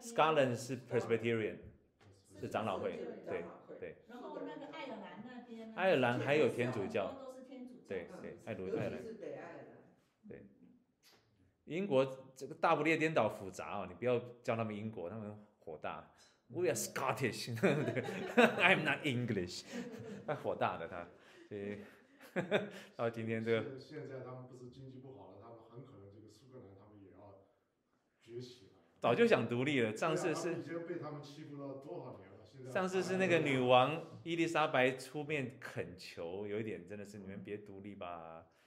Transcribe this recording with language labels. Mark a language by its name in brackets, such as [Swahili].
[Chinese] Scotland 是 Presbyterian，是长老会，对对。然后那个爱尔兰那边。爱尔兰还有天主教。都是天主教。对对，爱尔兰。尤其是北爱尔兰。对。英国这个大不列颠岛复杂哦，你不要叫他们英国，他们火大。 [English] We are Scottish， I'm not English， [Chinese] 他火大的他，所以。到今天这个，现在他们不是经济不好了，他们很可能这个苏格兰他们也要崛起了。早就想独立了，上次是已经被他们欺负了多少年了。上次是那个女王伊丽莎白出面恳求，有一点真的是你们别独立吧。